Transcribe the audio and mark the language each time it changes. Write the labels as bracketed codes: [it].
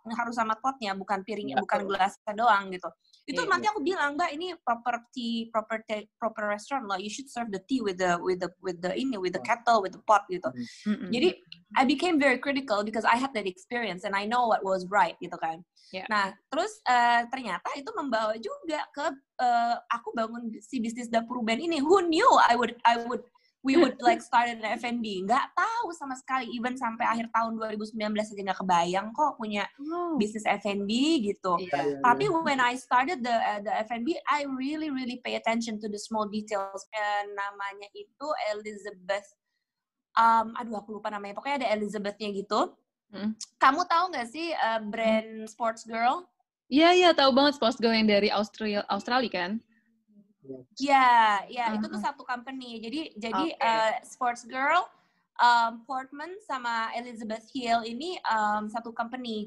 [id] Harus sama potnya, bukan piringnya, bukan gelasnya doang gitu. Itu nanti aku bilang, Mbak, ini proper restaurant loh. [en] You should serve the tea with the kettle, with the pot [id] gitu. Jadi [en] I became very critical because I had that experience and I know what was right [id] gitu kan. Nah, terus ternyata itu membawa juga ke aku bangun si bisnis Dapur Ruben ini. [en] Who knew we would like start an F&B? [id] Nggak tahu sama sekali, even sampai akhir tahun 2019 aja nggak kebayang kok punya bisnis F&B gitu. Tapi [en] when I started the F&B, I really really pay attention to the small details. [id] Namanya itu Elizabeth, aku lupa namanya, pokoknya ada Elizabeth-nya gitu. Kamu tahu nggak sih brand Sports Girl? Iya, tahu banget Sports Girl yang dari Australia kan? Iya, itu tuh satu company. Jadi, Sports Girl, Portman sama Elizabeth Hill ini satu company.